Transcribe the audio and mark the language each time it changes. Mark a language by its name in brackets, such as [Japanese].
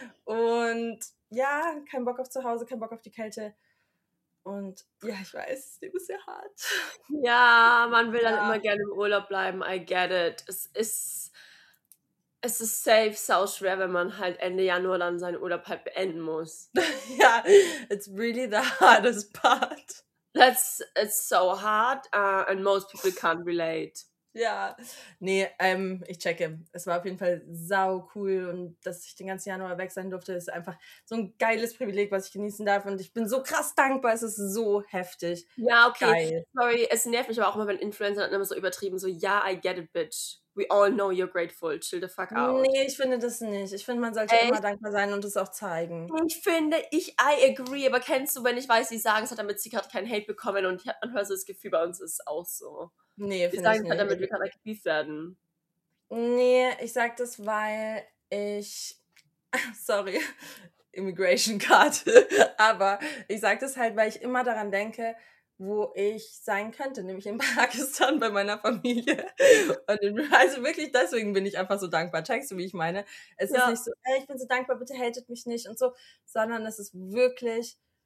[German] Und ja, kein Bock auf zu Hause, kein Bock auf die Kälte. Und ja, ich weiß, es ist sehr hart. Ja, man will dann immer gerne im Urlaub bleiben. [English] I get it. [German] Es ist safe, sau schwer, wenn man halt Ende Januar dann seinen Urlaub halt beenden muss. [English] Ja, it's really the hardest part. It's so hard and most people can't relate. [German] Ja, nee, ich checke. Es war auf jeden Fall sau cool und dass ich den ganzen Januar weg sein durfte, ist einfach so ein geiles Privileg, was ich genießen darf und ich bin so krass dankbar, es ist so heftig. Ja, okay, Geil. Sorry, es nervt mich aber auch immer, wenn Influencer dann immer so übertrieben so, ja, [English] I get it, bitch, we all know you're grateful, chill the fuck out. [German] Nee, ich finde das nicht. Ich finde, man sollte immer dankbar sein und es auch zeigen. [English] I agree, [German] aber kennst du, wenn ich weiß, sie sagen es, damit sie gerade keinen Hate bekommen und man hört so das Gefühl, bei uns ist es auch so. Nee, finde ich nicht. Damit wir gerade aktiv werden. Nee, ich sag das, weil ich... [English] Sorry, Immigration Card. [German] Aber ich sag das halt, weil ich immer daran denke, wo ich sein könnte. Nämlich in Pakistan bei meiner Familie. Und also wirklich deswegen bin ich einfach so dankbar. Checkst du, wie ich meine? Es ist nicht so, ey, ich bin so dankbar, bitte hatet mich nicht und so. Sondern es ist wirklich...